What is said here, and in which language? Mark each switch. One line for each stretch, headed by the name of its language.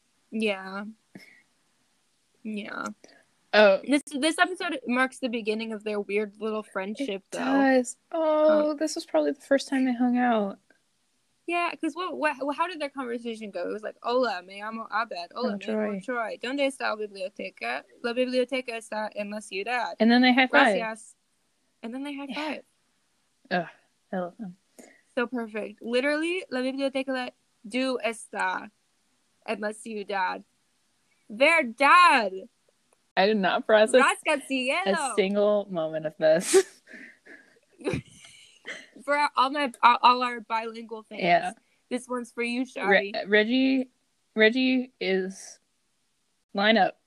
English: Yeah. Yeah. Oh. This episode marks the beginning of their weird little friendship, it though. It does. Oh, this was probably the first time they hung out. Yeah, because how did their conversation go? It was like,
Spanish: hola, me amo Abed. Hola, me amo Troy. ¿Dónde está la biblioteca? La biblioteca está en la ciudad.
English: And then they high five.
Spanish: Gracias.
English: And then they high five. Ugh, I love them. So perfect. Literally,
Spanish: la biblioteca do está en la ciudad.
English: Their dad. I did not process a single moment of this. For all our bilingual fans, yeah. This one's for you, Shari. Reggie is line up.